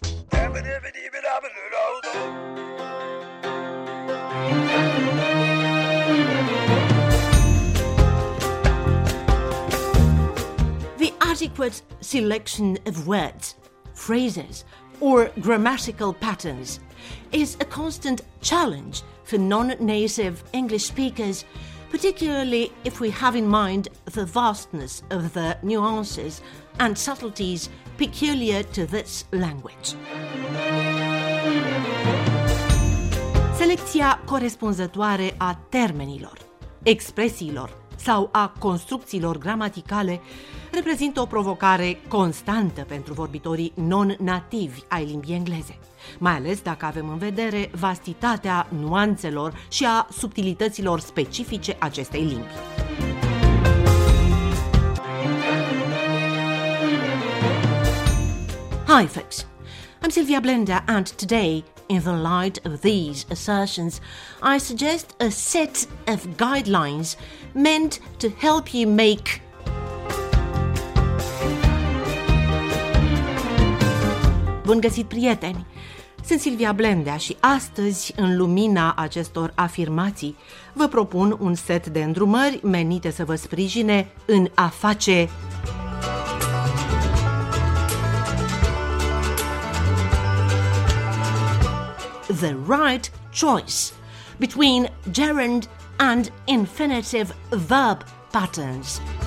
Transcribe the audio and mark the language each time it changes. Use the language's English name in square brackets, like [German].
[English] The adequate selection of words, phrases, or grammatical patterns is a constant challenge for non-native English speakers, particularly if we have in mind the vastness of the nuances and subtleties peculiar to this language. [Romanian] Selecția corespunzătoare a termenilor, expresiilor sau a construcțiilor gramaticale reprezintă o provocare constantă pentru vorbitorii non-nativi ai limbii engleze, mai ales dacă avem în vedere vastitatea nuanțelor și a subtilităților specifice acestei limbi. [English] Hi folks, I'm Sylvia Blender and today, in the light of these assertions, I suggest a set of guidelines meant to help you make [Romanian] bun găsit, prieteni! Sunt Silvia Blendea și astăzi, în lumina acestor afirmații, vă propun un set de îndrumări menite să vă sprijine în a face [English] the right choice between gerund and infinitive verb patterns.